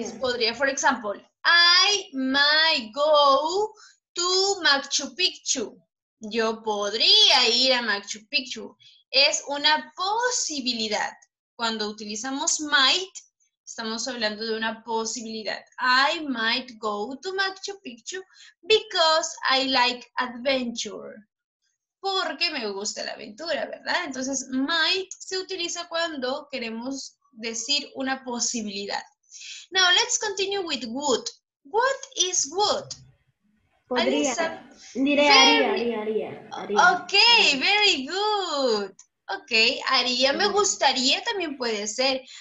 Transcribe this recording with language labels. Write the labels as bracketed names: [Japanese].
[Spanish] Es podría. [English] For example, I might go to Machu Picchu. [Spanish] Yo podría ir a Machu Picchu. Es una posibilidad. Cuando utilizamos might, estamos hablando de una posibilidad. [English] I might go to Machu Picchu because I like adventure. [Spanish] Porque me gusta la aventura, ¿verdad? Entonces, might se utiliza cuando queremos decir una posibilidad. [English] Now, let's continue with would. What is would? [Spanish] Podría. Diré, haría. [English] Ok, very good. [Spanish] Ok, haría, me gustaría, también puede ser.